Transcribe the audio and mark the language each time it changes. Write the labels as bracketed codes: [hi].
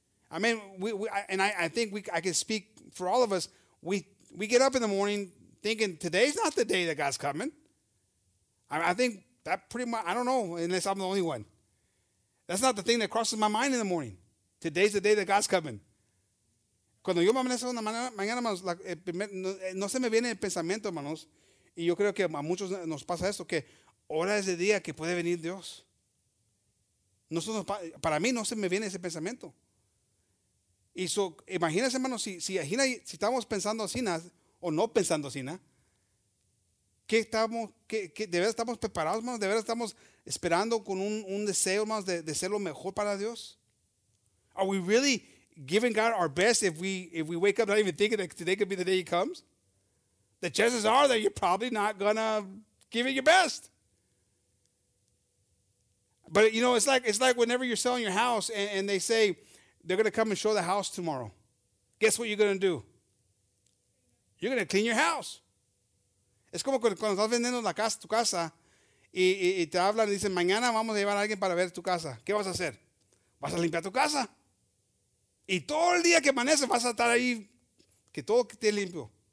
[en] I mean, I can speak for all of us. We get up in the morning thinking today's not the day that God's coming. I think that pretty much, I don't know, unless I'm the only one. That's not the thing that crosses my mind in the morning. Today's the day that God's coming. [es] Cuando yo me amanezco en la mañana, hermanos, no se me viene el pensamiento, hermanos, y yo creo que a muchos nos pasa esto, que ahora es el día que puede venir Dios. Nosotros, para mí no se me viene ese pensamiento. Y so, imagínense, hermanos, si estamos pensando así, o no pensando así, ¿qué estamos, de verdad estamos preparados, hermanos? ¿De verdad estamos esperando con un deseo, hermanos, de ser lo mejor para Dios? [en] Are we really giving God our best if we wake up not even thinking that today could be the day he comes? The chances are that you're probably not gonna give it your best. But you know, it's like whenever you're selling your house and they say they're gonna come and show the house tomorrow. Guess what you're gonna do? You're gonna clean your house. [es] Es como cuando estás vendiendo la casa, tu casa, y te hablan y dicen, mañana vamos a llevar a alguien para ver tu casa. ¿Qué vas a hacer? Vas a limpiar tu casa. Y todo el día que amanece vas a estar ahí, que todo esté limpio.